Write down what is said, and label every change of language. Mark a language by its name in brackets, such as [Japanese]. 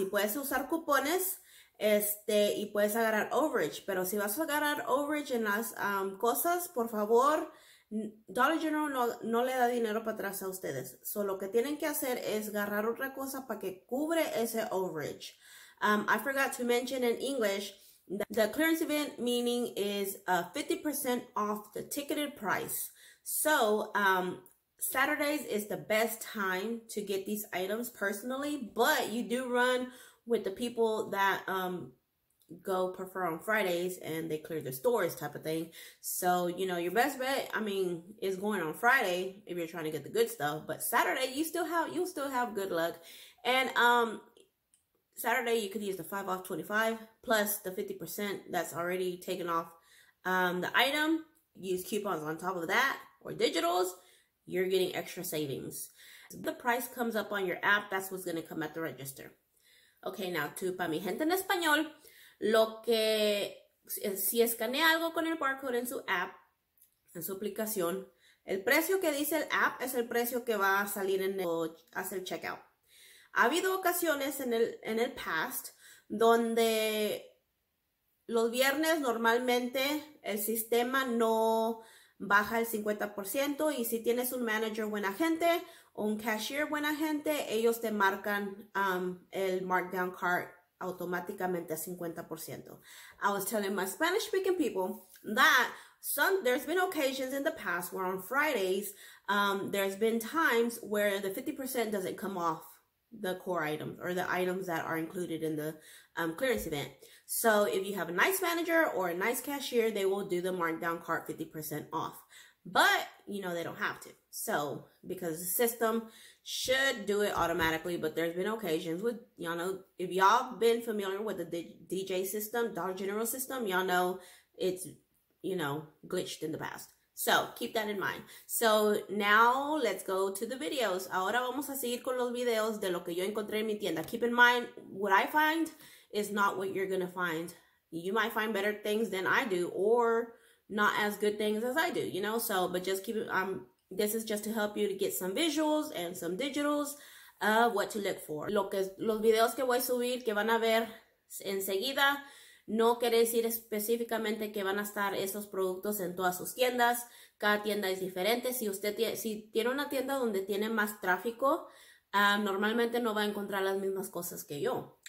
[Spanish] Y puedes usar cupones. Y puedes agarrar overage, pero si vas a agarrar overage en las cosas, por favor, Dollar General no le da dinero para atrás a ustedes. So, lo que tienen que hacer es agarrar otra cosa para que cubre ese overage. [English] I forgot to mention in English, the clearance event meaning is 50% off the ticketed price. So, Saturdays is the best time to get these items personally, but you do run with the people that go prefer on Fridays and they clear the stores type of thing. So, you know, your best bet, I mean, is going on Friday if you're trying to get the good stuff. But Saturday, you still have good luck. And Saturday, you could use the 5 off 25 plus the 50% that's already taken off the item. Use coupons on top of that or digitals. You're getting extra savings. So the price comes up on your app. That's what's going to come at the register. Okay, now [Spanish] to pa mi gente en español, lo que si escanea algo con el barcode en su app, en su aplicación, el precio que dice el app es el precio que va a salir en el hacer checkout. Ha habido ocasiones en el past donde los viernes normalmente el sistema no baja el 50% y si tienes un manager buena gente, un cashier buena gente, ellos te marcan el markdown cart automáticamente a 50%. [English] I was telling my Spanish speaking people that there's been occasions in the past where on Fridays, there's been times where the 50% doesn't come off the core items or the items that are included in the clearance event. So if you have a nice manager or a nice cashier, they will do the markdown cart 50% off. But, you know, they don't have to. So, because the system should do it automatically, but there's been occasions with, y'all know, if y'all been familiar with the DJ system, Dollar General system, y'all know it's, you know, glitched in the past. So, keep that in mind. So, now let's go to the videos. [Spanish] Ahora vamos a seguir con los videos de lo que yo encontré en mi tienda. [English] Keep in mind, what I find is not what you're going to find. You might find better things than I do, or not as good things as I do, you know? So, but just keep it, this is just to help you to get some visuals and some digitals of what to look for. [Spanish] Los videos que voy a subir, que van a ver enseguida, no quiere decir específicamente que van a estar esos productos en todas sus tiendas. Cada tienda es diferente. Si tiene una tienda donde tiene más tráfico, normalmente no va a encontrar las mismas cosas que yo.